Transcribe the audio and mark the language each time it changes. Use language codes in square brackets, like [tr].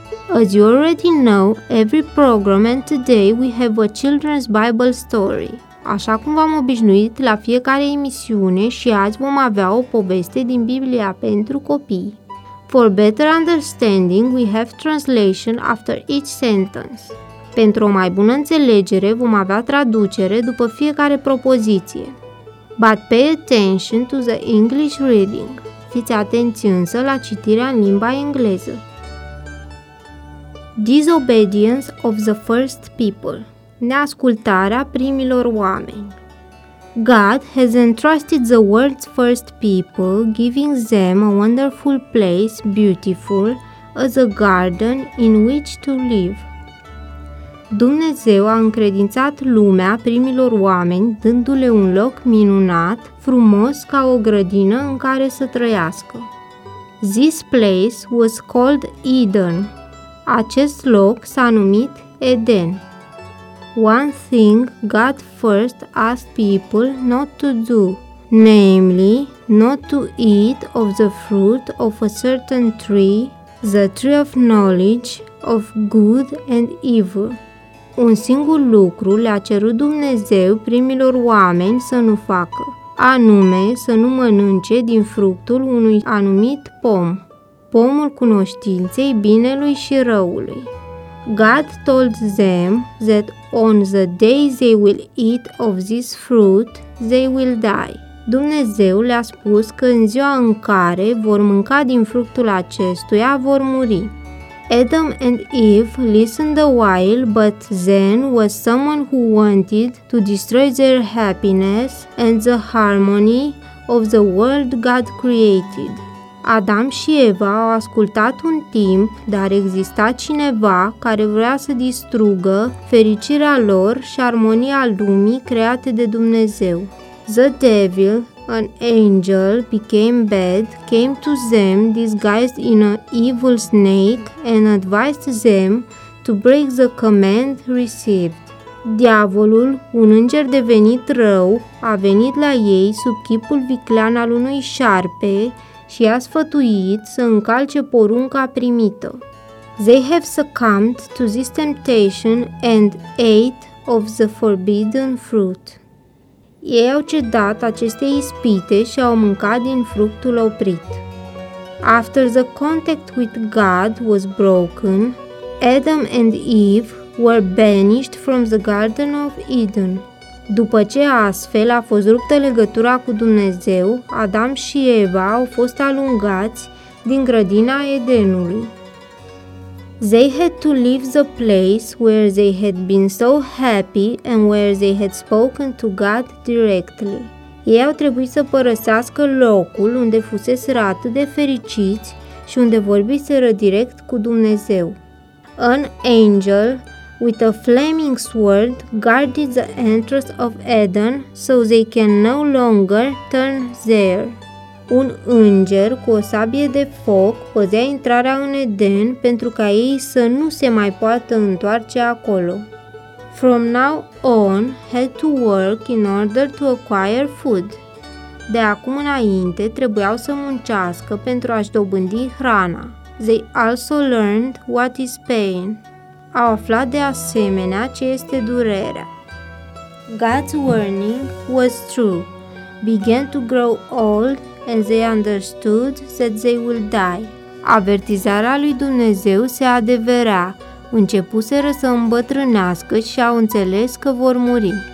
[en] As you already know, every program and today we have a children's Bible story. [ro] Așa cum v-am obișnuit la fiecare emisiune și azi vom avea o poveste din Biblia pentru copii. [en] For better understanding, we have translation after each sentence. [ro] Pentru o mai bună înțelegere, vom avea traducere după fiecare propoziție. [en] But pay attention to the English reading. [ro] Fiți atenți însă la citirea în limba engleză. [en] Disobedience of the first people. [ro] Neascultarea primilor oameni. [en] God has entrusted the world's first people, giving them a wonderful place, beautiful, as a garden in which to live. [ro] Dumnezeu a încredințat lumea primilor oameni, dându-le un loc minunat, frumos ca o grădină în care să trăiască. [en] This place was called Eden. [ro] Acest loc s-a numit Eden. [en] One thing God first asked people not to do, namely, not to eat of the fruit of a certain tree, the tree of knowledge of good and evil. [ro] Un singur lucru le-a cerut Dumnezeu primilor oameni să nu facă, anume să nu mănânce din fructul unui anumit pom. Pomul cunoștinței binelui și răului. [en] God told them that on the day they will eat of this fruit, they will die. [ro] Dumnezeu le-a spus că în ziua în care vor mânca din fructul acestuia, vor muri. [en] Adam and Eve listened a while, but then was someone who wanted to destroy their happiness and the harmony of the world God created. [ro] Adam și Eva au ascultat un timp, dar exista cineva care vrea să distrugă fericirea lor și armonia lumii create de Dumnezeu. [en] The devil, an angel, became bad, came to them disguised in an evil snake and advised them to break the command received. [ro] Diavolul, un înger devenit rău, a venit la ei sub chipul viclean al unui șarpe și i-a sfătuit să încalce porunca primită. [en] They have succumbed to this temptation and ate of the forbidden fruit. [ro] Ei au cedat acestei ispite și au mâncat din fructul oprit. [en] After the contact with God was broken, Adam and Eve were banished from the Garden of Eden. [ro] După ce astfel a fost ruptă legătura cu Dumnezeu, Adam și Eva au fost alungați din grădina Edenului. [en] They had to leave the place where they had been so happy and where they had spoken to God directly. [ro] Ei au trebuit să părăsească locul unde fuseseră atât de fericiți și unde vorbiseră direct cu Dumnezeu. [en] An angel with a flaming sword guarded the entrance of Eden so they can no longer turn there. [ro] Un înger cu o sabie de foc păzea intrarea în Eden pentru ca ei să nu se mai poată întoarce acolo. [en] From now on, had to work in order to acquire food. [ro] De acum înainte, trebuiau să muncească pentru a-și dobândi hrana. [en] They also learned what is pain. [ro] Au aflat de asemenea ce este durerea. [en] God's warning was true. Began to grow old and they understood that they will die. [ro] Avertizarea lui Dumnezeu se adevera. Începuseră să îmbătrânească și au înțeles că vor muri.